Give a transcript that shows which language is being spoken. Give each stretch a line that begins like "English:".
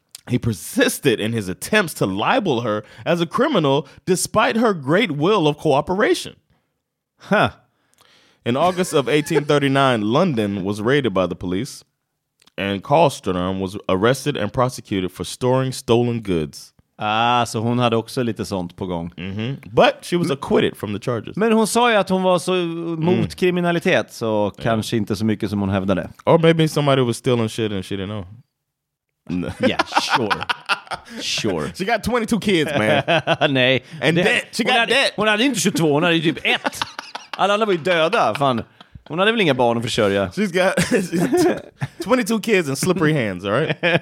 English: He persisted in his attempts to libel her as a criminal despite her great will of cooperation. Huh. In August of 1839, London was raided by the police, and Karlström was arrested and prosecuted for storing stolen goods.
Swedish: Ah, så hon hade också lite sånt på gång. Mm-hmm.
English: But she was acquitted from the charges.
Swedish: Men hon sa ju att hon var så mot kriminalitet, så kanske inte så mycket som hon hävdade.
English: Or maybe somebody was stealing shit and she didn't know. Yeah, sure. She got 22 kids, man.
Swedish: Nej.
English: And debt. She got debt.
Swedish: Hon hade inte 22, hon hade typ 1. Alla andra var ju döda, fan. Hon hade väl inga barn att försörja.
English: She's got 22 kids and slippery hands, all right?